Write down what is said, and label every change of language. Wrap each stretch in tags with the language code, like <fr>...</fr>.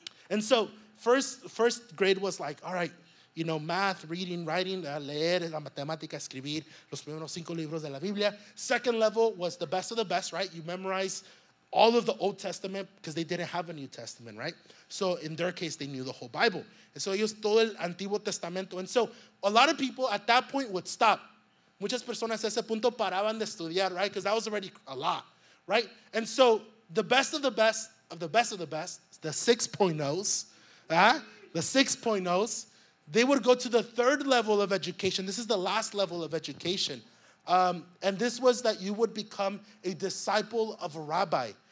<en>And so first grade was like, all right, you know, math, reading, writing,</en> <es>leer, la matemática, escribir, los primeros cinco libros de la Biblia.</es> <en>Second level was the best of the best, right? You memorize all of the Old Testament because they didn't have a New Testament, right? So in their case, they knew the whole Bible. And so</en> <es>ellos todo el Antiguo Testamento.</es> <en>And so a lot of people at that point would stop.</en> <es>Muchas personas a ese punto paraban de estudiar, right?</es> <en>Because that was already a lot, right? And so the best of the best of the best of the best, the 6.0s, they would go to the third level of education. This is the last level of education. And this was that you would become a disciple of a rabbi.</en>